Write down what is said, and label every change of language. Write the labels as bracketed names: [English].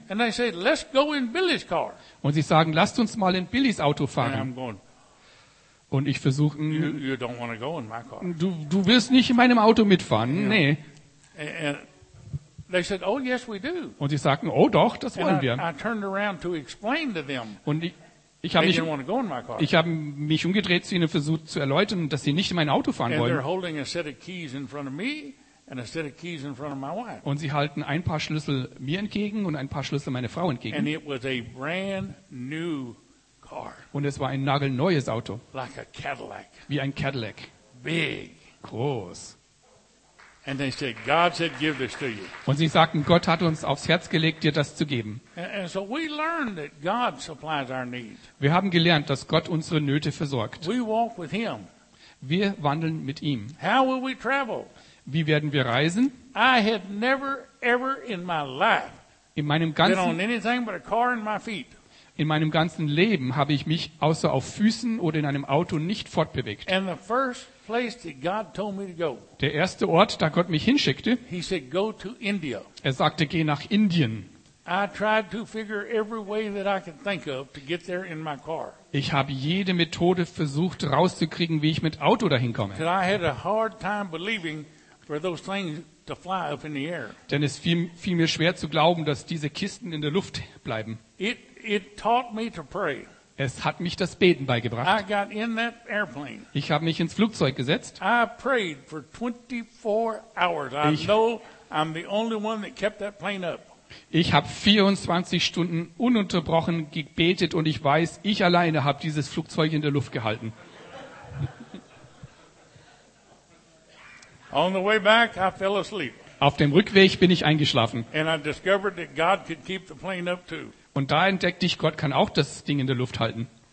[English] And they say, let's go in Billy's car. [German] Und sie sagen, lasst uns mal in Billys Auto fahren. [English] And I'm going, [German] und ich versuche, [English] you don't want to go in my car. [German] Du willst nicht in meinem Auto mitfahren, yeah. Nee. [English] And they said, oh yes, we do. [German] Und sie sagen, oh doch, das wollen [English] and [German] wir. [English] I turned around to explain to them. [German] Und ich habe mich umgedreht zu ihnen und versucht zu erläutern, dass sie nicht in mein Auto fahren [English] and [German] wollen. [English] They're holding a set of keys in front of me. And a set of keys in front of my wife. [German] Und sie halten ein paar Schlüssel mir entgegen und ein paar Schlüssel meiner Frau entgegen. [English] And it was a brand new car. [German] Und es war ein nagelneues Auto. [English] Like a Cadillac. [German] Wie ein Cadillac. [English] Big. [German] Groß. [English] And they said, God said, give this to you. [German] Und sie sagten, Gott hat uns aufs Herz gelegt, dir das zu geben. [English] And so we learned that God supplies our needs. [German] Wir haben gelernt, dass Gott unsere Nöte versorgt. [English] We walk with him. [German] Wir wandeln mit ihm. [English] How will we travel? [German] Wie werden wir reisen? [English] I had never, ever in my life [German] in meinem ganzen, [English] been on anything but a car and my feet. [German] In meinem ganzen Leben habe ich mich außer auf Füßen oder in einem Auto nicht fortbewegt. [English] And the first place that God told me to go, [German] der erste Ort, da Gott mich hinschickte, [English] he said, go to India. [German] Er sagte, geh nach Indien. [English] I tried to figure every way that I could think of to get there in my car. [German] Ich habe jede Methode versucht rauszukriegen, wie ich mit Auto dahin komme. [English] Because I had a hard time believing for those things to fly up in the air. [German] Denn es fiel mir schwer zu glauben, dass diese Kisten in der Luft bleiben. [English] It taught me to pray. [German] Es hat mich das Beten beigebracht. [English] I got in that airplane. [German] Ich habe mich ins Flugzeug gesetzt. [English] I prayed for 24 hours. I know I'm the only one that kept that plane up. [German] Ich habe 24 Stunden ununterbrochen gebetet und ich weiß, ich alleine habe dieses Flugzeug in der Luft gehalten. [English] On the way back, I fell asleep. [German] Auf dem Rückweg bin ich eingeschlafen. [English] And I discovered that God could keep the plane up too. [German] Und da entdeckte ich, Gott kann auch das Ding in der Luft halten.